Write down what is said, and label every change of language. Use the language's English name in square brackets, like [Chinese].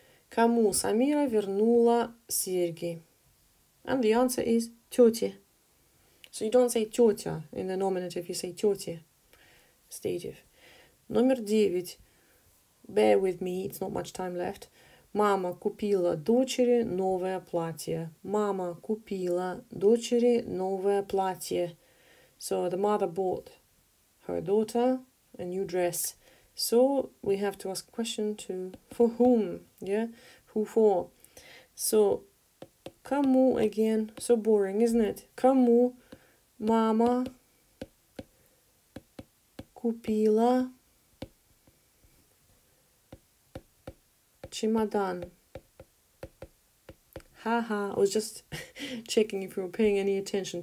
[Russian] Кому Самира вернула серьги? [English] And the answer is тетя. So you don't say тетя in the nominative, you say тетя. [Russian] Stative. Номер девять. [English] Bear with me, it's not much time left. [Russian] Мама купила дочери новое платье. Мама купила дочери новое платье. [English] So the mother bought her daughter a new dress. So we have to ask a question to for whom, yeah? Who for? So кому again? So boring, isn't it? [Russian] Кому мама купила чемодан? Ha ha! [English] I was just checking if you were paying any attention.